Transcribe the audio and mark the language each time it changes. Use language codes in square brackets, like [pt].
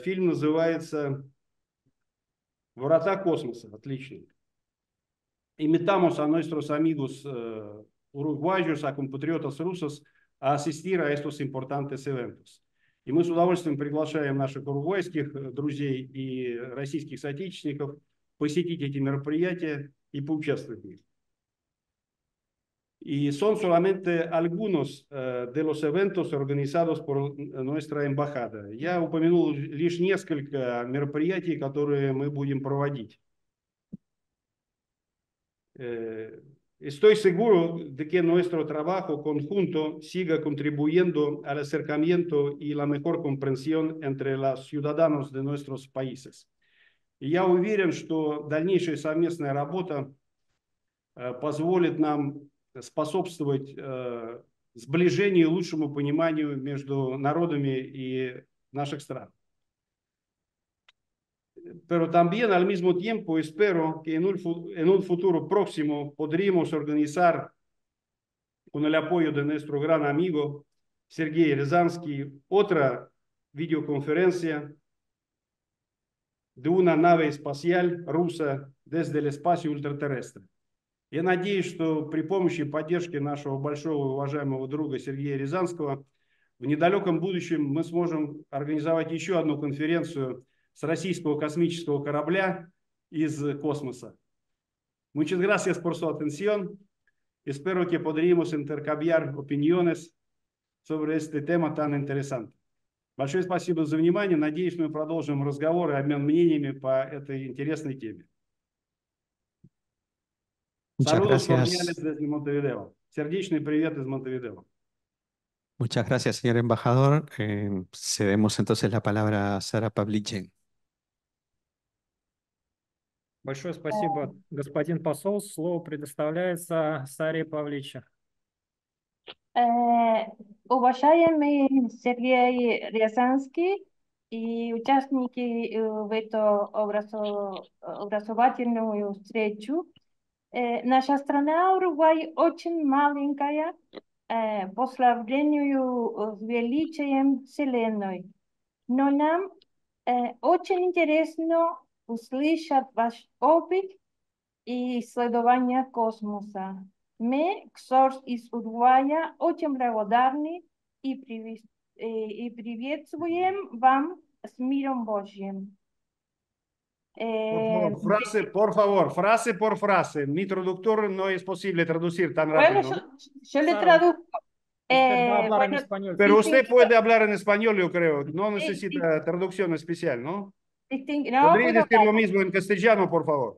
[ru] Фильм называется «Врата космоса». Отлично. [es] Invitamos a nuestros amigos uruguayos, a compatriotas rusos, a asistir a estos importantes eventos. [ru] И мы с удовольствием приглашаем наших уругвайских друзей и российских соотечественников посетить эти мероприятия и поучаствовать в них. [es] Y son solamente algunos de los eventos organizados por nuestra embajada. [ru] Я упомянул лишь несколько мероприятий, которые мы будем проводить. [es] Estoy seguro de que nuestro trabajo conjunto siga contribuyendo al acercamiento y la mejor comprensión entre los ciudadanos de nuestros países. [ru] И я уверен, что дальнейшая совместная работа позволит нам способствовать сближению и лучшему пониманию между народами и наших стран. [es] Pero también al mismo tiempo espero que en un futuro próximo podremos organizar con el apoyo de nuestro gran amigo Сергей Рязанский otra [ru] видеоконференция [es] de una nave espacial rusa desde el espacio ultraterrestre. [ru] Я надеюсь, что при помощи поддержки нашего большого уважаемого друга Сергея Рязанского в недалеком будущем мы сможем организовать еще одну конференцию с российского космического корабля из космоса. [es] Muchas gracias por su atención. Espero que podremos intercambiar opiniones sobre este tema tan interesante. [ru] Большое спасибо за внимание. Надеюсь, мы продолжим разговор и обмен мнениями по этой интересной теме. [es] Muchas gracias. [ru] Сердечный привет из Монтевидео. [es] Muchas gracias, señor embajador. Cedemos entonces la palabra a Sara Pavlichen. [ru] Большое спасибо, господин посол. Слово предоставляется Саре Павличе. Уважаемый Сергей Рязанский и участники в эту образовательную встречу, наша страна Уругвай очень маленькая по сравнению с величием Вселенной, но нам очень интересно услышать ваш опыт и исследования космоса. Мы, XORS из Уругвая, очень благодарны и приветствуем вам с миром Божьим. [es] Por favor, frase por frase. Mi traductor no es posible traducir tan rápido. Bueno, yo le traduzco. Usted puede hablar en español, yo creo. No necesita traducción especial, ¿no? Podría decir lo mismo en castellano, por favor.